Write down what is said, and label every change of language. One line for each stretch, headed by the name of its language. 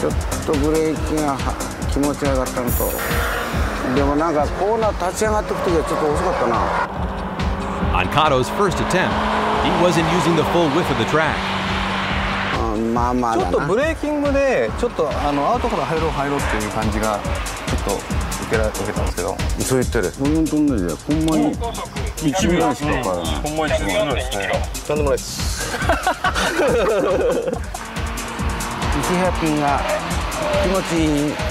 Japanese: ちょっとブレーキが気持ち上がったのと。でもなんかコーナー立ち上がってくときはちょっと遅かったな。
English: On Kato's first attempt, he wasn't using the full width of the track.
Japanese: まあ、まあちょっとブレーキングでちょっとあのアウトから入ろう入ろうっていう感じがちょっと受けたんですけど、そう言ってる。そんなに飛んないじゃん。ほんまに 1秒ですね。ほんまに1秒ですね。とんでもないです。 1ヘアピンが気持ちいい。